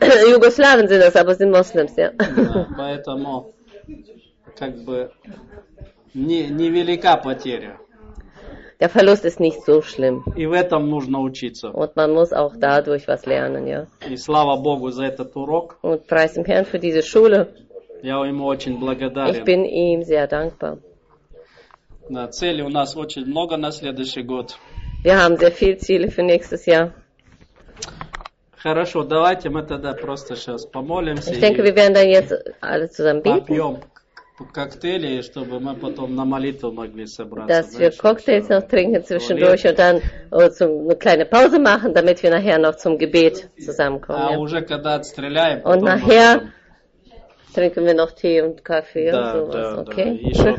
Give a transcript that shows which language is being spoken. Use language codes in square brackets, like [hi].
[de] Jugoslawen sind das, aber sind Moslems, ja. [ru] Поэтому как бы не велика потеря. [de] Der Verlust ist nicht so schlimm. [ru] И в этом нужно учиться. [de] Und man muss auch dadurch was lernen, ja. [ru] И слава Богу за этот урок. [de] Und preis dem Herrn für diese Schule. [ru] Я ему очень благодарен. [de] Ich bin ihm sehr dankbar. [ru] Да, цели у нас очень много на следующий год. [de] Wir haben sehr viele Ziele für nächstes Jahr. [ru] Хорошо, давайте мы тогда просто сейчас помолимся. [de] Ich denke, wir werden dann jetzt alle zusammen beten. [ru] Попьем коктейли, чтобы мы потом на молитву могли собраться. [de] Dass wir Cocktails noch trinken zwischendurch und dann eine kleine Pause machen, damit wir nachher noch zum Gebet zusammenkommen. [ru] А уже когда отстреляем. [de] Und nachher trinken wir noch Tee und Kaffee und sowas, okay?